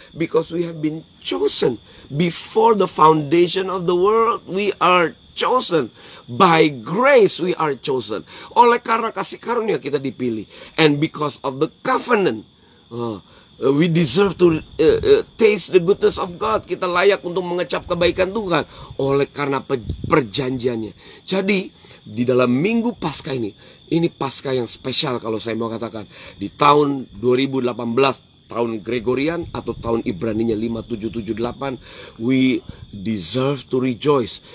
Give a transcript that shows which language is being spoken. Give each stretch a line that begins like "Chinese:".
English: Because we have been chosen before the foundation of the world. We are chosen. By grace we are chosen.
Indonesian: Oleh karena kasih karunia kita dipilih.
English: And because of the covenant, we deserve to taste the goodness of God.
Indonesian: Kita layak untuk mengecap kebaikan Tuhan oleh karena perjanjiannya. Jadi di dalam minggu Paskah ini, ini Paskah yang spesial kalau saya mau katakan. Di tahun 2018, tahun Gregorian atau tahun Ibraninya 5778,
English: we deserve to rejoice.